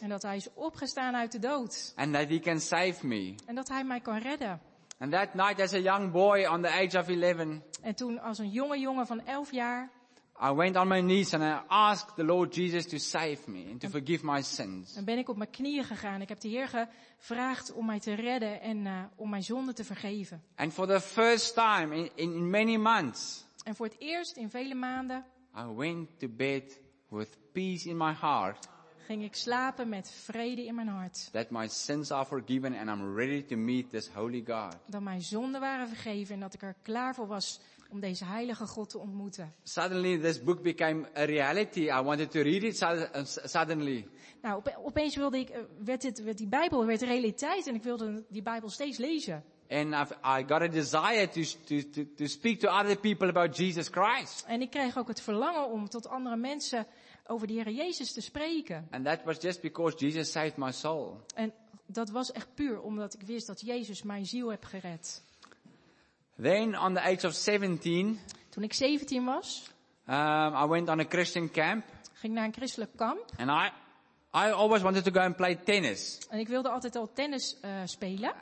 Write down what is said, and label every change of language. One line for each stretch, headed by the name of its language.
Dutch: En dat hij is opgestaan uit de dood.
English: And that he can save me.
Dutch: En dat hij mij kan redden.
English: And that night as a young boy on the age of 11.
Dutch: En toen als een jonge jongen van 11 jaar.
English: I went on my knees and I asked the Lord Jesus to save me and to forgive my sins.
Dutch: En ben ik op mijn knieën gegaan. Ik heb de Heer gevraagd om mij te redden en om mijn zonden te vergeven.
English: And for the first time in many months.
Dutch: En voor het eerst in vele maanden.
English: I went to bed with peace in my heart.
Dutch: Ging ik slapen met vrede in mijn hart.
English: That my sins are forgiven and I'm ready to meet this holy God.
Dutch: Dat mijn zonden waren vergeven en dat ik er klaar voor was om deze heilige God te ontmoeten.
English: Suddenly this book became a reality. I wanted to read it suddenly.
Dutch: Nou, opeens wilde ik werd die Bijbel werd realiteit en ik wilde die Bijbel steeds lezen.
English: And I got a desire to speak to other people about Jesus Christ.
Dutch: En ik kreeg ook het verlangen om tot andere mensen over de Heer Jezus te spreken.
English: And that was just because Jesus saved my soul.
Dutch: En dat was echt puur omdat ik wist dat Jezus mijn ziel heeft gered.
English: Then on the age of 17.
Dutch: Toen ik 17 was.
English: I went on a Christian camp.
Dutch: Ging naar een christelijk kamp.
English: And I always wanted to go and play tennis.
Dutch: En ik wilde altijd al tennis spelen.